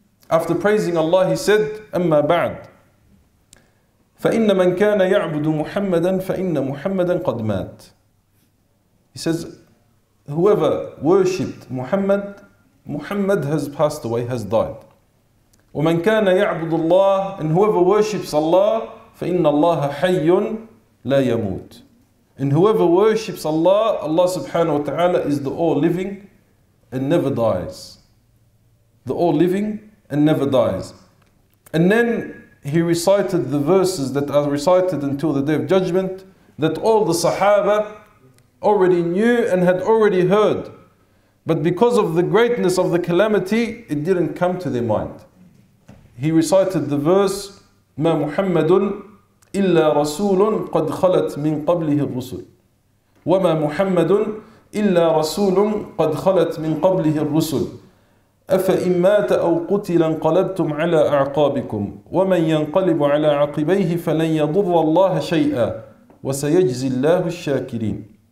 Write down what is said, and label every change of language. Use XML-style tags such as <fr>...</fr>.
<en>After praising Allah, he said, Amma ba'd.</en> <ar>فَإِنَّ مَنْ كَانَ يَعْبُدُ مُحَمَّدًا فَإِنَّ مُحَمَّدًا قَدْ مَاتْ.</ar> <en>He says, whoever worshipped Muhammad, Muhammad has passed away, has died.</en> <ar>وَمَنْ كَانَ يَعْبُدُ اللَّهِ.</ar> <en>And whoever worships Allah,</en> <ar>فَإِنَّ اللَّهَ حَيٌّ لَا يَمُوتُ.</ar> <en>And whoever worships Allah, Allah subhanahu wa ta'ala is the all-living and never dies. The all-living and never dies. And then he recited the verses that are recited until the day of judgment that all the sahaba already knew and had already heard. But because of the greatness of the calamity, it didn't come to their mind. He recited the verse,</en> <ar>مَا مُحَمَّدٌ إِلَّا رَسُولٌ قَدْ خَلَتْ مِنْ قَبْلِهِ الرُّسُلُ وَمَا مُحَمَّدٌ إِلَّا رَسُولٌ قَدْ خَلَتْ مِنْ قَبْلِهِ الرُّسُلُ أَفَإِنْ مَاتَ أَوْ قُتِلًا قَلَبْتُمْ عَلَىٰ أَعْقَابِكُمْ وَمَنْ يَنْقَلِبُ عَلَىٰ عَقِبَيْهِ فَلَنْ يَضُرَّ اللَّهَ شَيْئًا وَسَيَجْزِي اللَّهُ الشَّاكِرِينَ.</ar>